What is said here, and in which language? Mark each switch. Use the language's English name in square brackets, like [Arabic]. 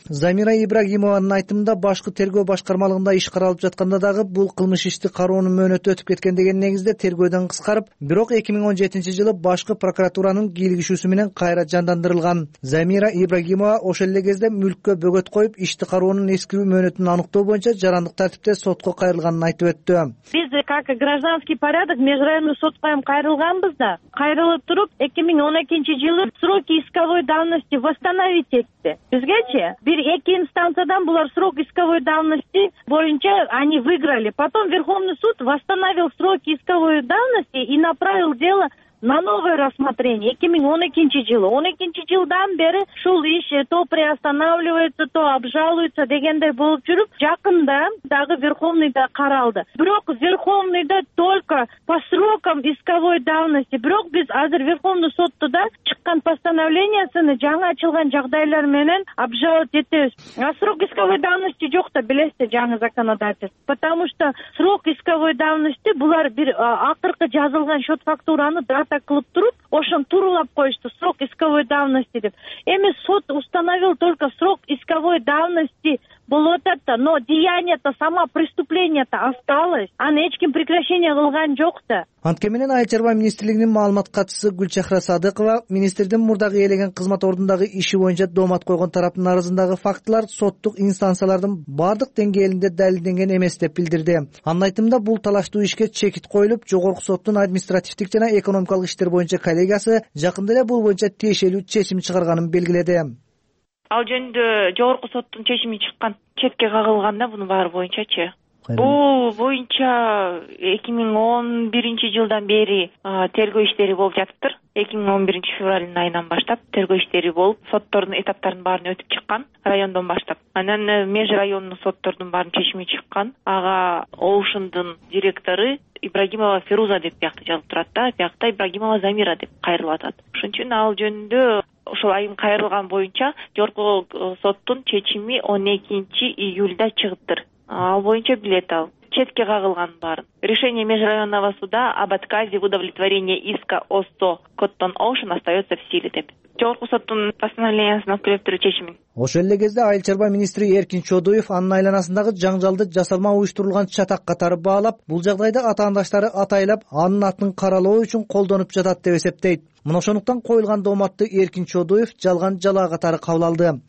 [Kyrgyz] Замира Ибрагимованын айтымында башкы тергөө башкармалыгында иш каралып жатканда дагы бул кылмыш ишти кароонун мөөнөтү өтүп кеткен деген негизде тергөөдөн кыскарып, бирок 2017-жылы башкы прокуратуранын кийлигишүүсү менен кайра жандандырылган. Замира Ибрагимова ошол эле кезде мүлккө бөгөт коюп, ишти кароонун эскирүү мөөнөтүн аныктоо боюнча жарандык тартипте сотко кайрылганын айтып өттү. Биз [Russian] как гражданский порядок [Kyrgyz] межрайондук сотко эм кайрылганбыз да, кайрылып туруп 2012-жылы [Russian] срок исковой давности восстановить [Kyrgyz] этти. Бизгечи бир эки инстанциядан булар [Russian] срок исковой давности [Kyrgyz] боюнча [Russian] они выиграли. Потом Верховный суд восстановил срок исковой давности и направил дело на новое рассмотрение [Kyrgyz] 2012-жылы. 2012-жылдан бери шул иш [Russian] то приостанавливается, то обжалуется [Kyrgyz] дегендей болуп жүрүп, жакында дагы Верховныйда каралды. Бирок [Russian] Верховныйда только по срокам исковой давности. [Kyrgyz] Бирок биз азыр Верховный сотто да чыккан постановлениясын жаңы ачылган жагдайлар менен обжаловать этебиз. [Russian] А срок исковой давности [Kyrgyz] жок да, билесиз, жаңы [Russian] законодательство. Потому что срок исковой давности [Kyrgyz] булар бир акыркы жазылган счет фактураны так кылып туруп, ошон турулап коюшту [Russian] срок исковой давности [Kyrgyz] деп. Эми сот [Russian] установил только срок исковой давности [Kyrgyz] болуп атат да, [Russian] но деяние-то, само преступление-то осталось, [Kyrgyz] аны эч ким прекращение кылган жок да. Антке менен Айыл чарба министрлигинин маалымат катчысы Гүлчахра Садыкова министрдин мурдагы ээлеген кызмат ордундагы иши боюнча доомат койгон тараптын арызындагы фактылар соттук инстанциялардын баардык деңгээлинде далилденген эмес деп билдирди. Анын айтымында бул талаштуу ишке чекит коюлуп, жогорку соттун административдик жана экономикалык иштер боюнча коллегиясы жакында эле бул боюнча тиешелүү чечим чыгарганын белгиледи. Ал жөнүндө жогорку соттун чечими чыккан, четке кагылган да бунун баары боюнчачы. Бул боюнча 2011-жылдан бери тергөө иштери болуп жатыптыр. 2011-февралдын айынан баштап тергөө иштери болуп, соттордун этаптарын баарын өтүп чыккан райондон баштап. Анан межрайондун соттордун баарын чечими чыккан. Ага Оушендин директору Ибрагимова Фируза деп биякта жазылып турат да, биякта Ибрагимова Замира деп кайрылып атат. Ошон үчүн ал жөнүндө ошол айым кайрылган боюнча жогорку соттун чечими 12-июлда чыгыптыр. Ал боюнча билет ал. Четке кагылган баарын. [Russian] Решение межрайонного суда об отказе в удовлетворении иска ОСТО Коттон Оушен остается в силе деп. [Kyrgyz] Жогорку соттун постановлениясын өткөрүп туруу чечимин. Ошол эле кезде айыл чарба министри Эркин Чодоев анын айланасындагы жаңжалды жасалма уюштурулган чатак катары баалап, бул жагдайды атаандаштары атайлап анын атын каралоо үчүн колдонуп жатат деп эсептейт. Мына ошондуктан коюлган дооматты Эркин Чодоев жалган жалаа катары кабыл алды.